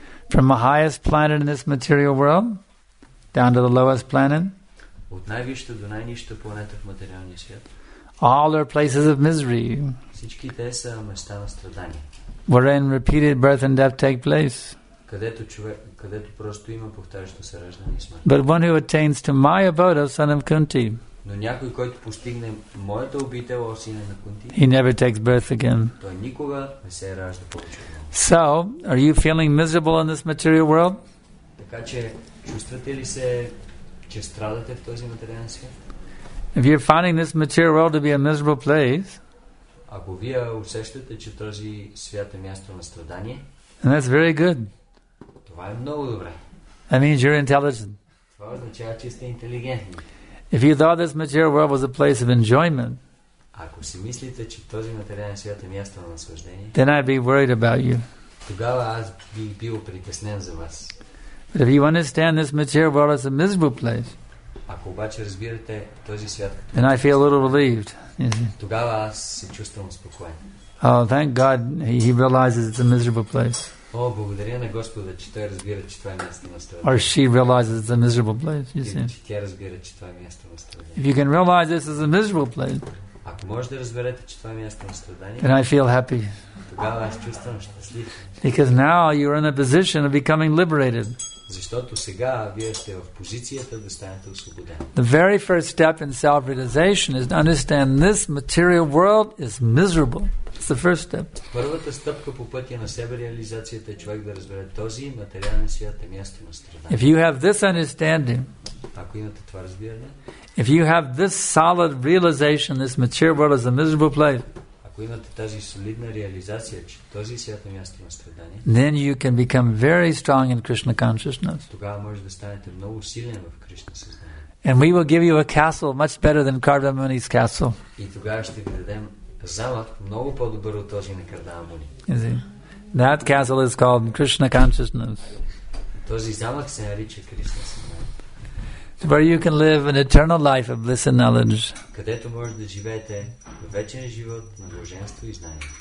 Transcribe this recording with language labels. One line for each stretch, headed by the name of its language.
English: From the highest planet in this material world down to the lowest planet,
Bulgarian: от най-вища до най-нища планета в материалния свят,
English: all are places of misery,
Bulgarian: всички те са места на страдания,
English: wherein repeated birth and death take place,
Bulgarian: където просто има повтарящо се раждане и смърт.
English: But one who attains to my abode, son of Kunti,
Bulgarian: но някой, който постигне моята обител, о сина на Кунти,
English: he never takes birth again.
Bulgarian: Той никога не се ражда повече.
English: So, are you feeling miserable in this material world?
Bulgarian: Така че, чувствате ли се, че страдате в този материален свят?
English: If you're finding this material world to be a miserable place,
Bulgarian: ако вие усещате, че този свят е място на страдание,
English: and that's very good.
Bulgarian: Това е много добре.
English: That means you're intelligent.
Bulgarian: Това означава, че сте интелигентни.
English: If you thought this material world was a place of enjoyment,
Bulgarian: ако си мислите, че този материален свят е място на наслаждение,
English: then I'd be worried about you.
Bulgarian: Тогава аз би бил притеснен за вас.
English: But if you understand this material world as a miserable place,
Bulgarian: ако обаче разбирате този свят,
English: then I feel a little relieved.
Bulgarian: Тогава аз се чувствам спокоен.
English: Oh, thank God he realizes it's a miserable place.
Bulgarian: О, благодаря на Господа, че той разбира, че това е място на страдание.
English: Or she realizes it's a miserable place, you see.
Bulgarian: Че тя разбира, че това е място на страдание.
English: If you can realize this is a miserable place,
Bulgarian: ако може да разберете, че това е място на страдание,
English: then I feel happy.
Bulgarian: Тогава аз чувствам щастлив.
English: Because now you're in a position of becoming liberated.
Bulgarian: Защото сега вие сте в позицията да станете освободен.
English: The very first step in self-realization is to understand this material world is miserable. It's the first step.
Bulgarian: Първата стъпка по пътя на себереализацията е човек да разбере този материален свят е място на страдание.
English: If you have this understanding,
Bulgarian: ако имате това разбиране,
English: if you have this solid realization, this material world is a miserable place.
Bulgarian: Ако имате тази солидна реализация, че този свят е място на страдание,
English: then you can become very strong in Krishna consciousness.
Bulgarian: Тогава може да станете много силен в Кришна съзнание.
English: And we will give you a castle much better than Kardamuni's castle.
Bulgarian: И тогава ще ви дадем замък много по-добър от този на Кардамуни.
English: That castle is called Krishna consciousness.
Bulgarian: Този замък се нарича Кришна съзнание.
English: Where you can live an eternal life of bliss and knowledge.
Bulgarian: Където може да живеете вечен живот на блаженство и знание.